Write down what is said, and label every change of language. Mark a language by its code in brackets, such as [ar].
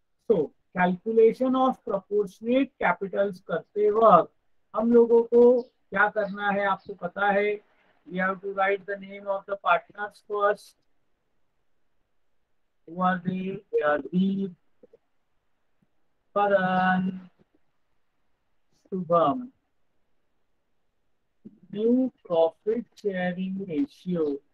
[en] so calculation of proportionate capitals [hi] करते वक्त हम लोगों को क्या करना है आपको पता है, [en] We have to write the name of the partners first. Who are they? They are Deep, Karan, Shubham. New profit sharing ratio.